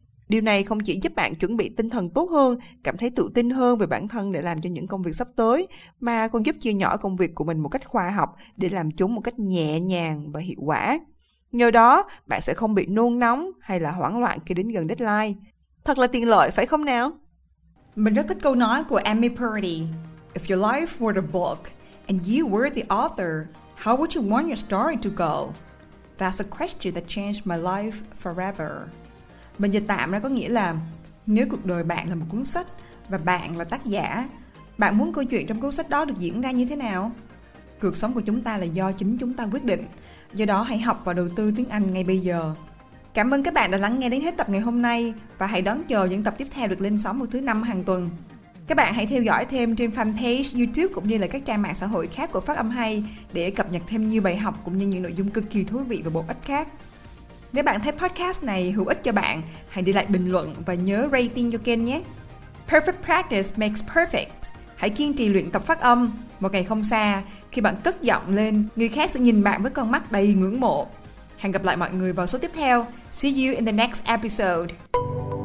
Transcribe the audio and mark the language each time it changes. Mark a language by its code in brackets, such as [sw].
[vi] Điều này không chỉ giúp bạn chuẩn bị tinh thần tốt hơn, cảm thấy tự tin hơn về bản thân để làm cho những công việc sắp tới, mà còn giúp chia nhỏ công việc của mình một cách khoa học để làm chúng một cách nhẹ nhàng và hiệu quả. Nhờ đó, bạn sẽ không bị nôn nóng hay là hoảng loạn khi đến gần deadline. Thật là tiện lợi, phải không nào? Mình rất thích câu nói của Amy Purdy. [en] If your life were a book and you were the author, how would you want your story to go? That's a question that changed my life forever. [vi] Mình dịch tạm ra có nghĩa là nếu cuộc đời bạn là một cuốn sách và bạn là tác giả, bạn muốn câu chuyện trong cuốn sách đó được diễn ra như thế nào? Cuộc sống của chúng ta là do chính chúng ta quyết định, do đó hãy học và đầu tư tiếng Anh ngay bây giờ. Cảm ơn các bạn đã lắng nghe đến hết tập ngày hôm nay và hãy đón chờ những tập tiếp theo được lên sóng vào thứ năm hàng tuần. Các bạn hãy theo dõi thêm trên fanpage YouTube cũng như là các trang mạng xã hội khác của Phát Âm Hay để cập nhật thêm nhiều bài học cũng như những nội dung cực kỳ thú vị và bổ ích khác. Nếu bạn thấy podcast này hữu ích cho bạn, hãy để lại bình luận và nhớ rating cho kênh nhé. [en] Perfect practice makes perfect. [vi] Hãy kiên trì luyện tập phát âm. Một ngày không xa, khi bạn cất giọng lên, người khác sẽ nhìn bạn với con mắt đầy ngưỡng mộ. Hẹn gặp lại mọi người vào số tiếp theo. [en] See you in the next episode.